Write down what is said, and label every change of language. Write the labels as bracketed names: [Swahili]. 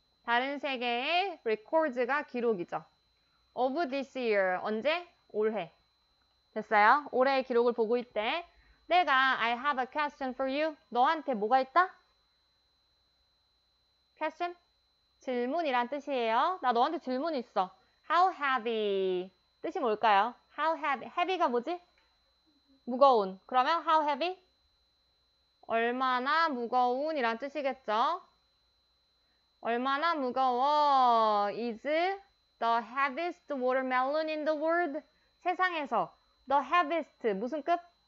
[Korean] 다른 세계의 records가 기록이죠. [English] Of this year. [Korean] 언제? 올해. 됐어요? 올해의 기록을 보고 있대. 내가 [English] I have a question for you. [Korean] 너한테 뭐가 있다? Question? 질문이란 뜻이에요. 나 너한테 질문 있어. [English] How heavy? [Korean] 뜻이 뭘까요? [English] How heavy? Heavy가 뭐지? [Korean] 무거운. [English] 그러면 how heavy? [Korean] 얼마나 무거운이란 뜻이겠죠? 얼마나 무거워? [English] Is the heaviest watermelon in the world? [Korean] 세상에서 [English] the heaviest [Korean] 무슨 급?